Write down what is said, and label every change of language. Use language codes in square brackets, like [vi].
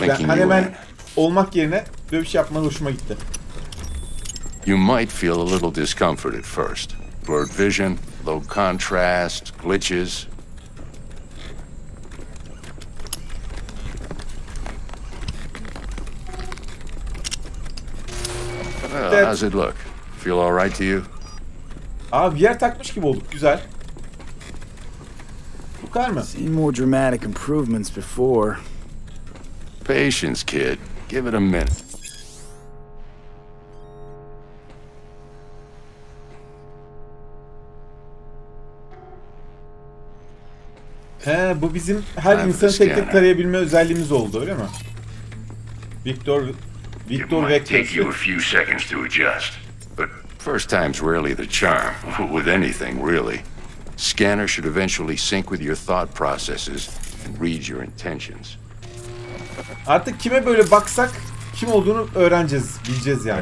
[tr] Yani hani hemen olmak yerine böyle bir şey yapmanın hoşuma gitti. [en] You might feel a little discomfort at first. Blurred vision, low contrast, glitches. Well, how's it look? Feel all right to you? [tr] Aa, VR takmış gibi olduk. Güzel. Bu kadar mı? [en] Seen more dramatic improvements before. Patience, kid. Give it a minute. [tr] Bu bizim her insanı tek tek tarayabilme özelliğimiz oldu, öyle mi? [en] Victor Vector. Take you a few seconds to adjust. But first time's rarely the charm. With anything, really. Scanner should eventually sync with your thought processes and read your intentions. [tr] Artık kime böyle baksak kim olduğunu öğreneceğiz, bileceğiz yani.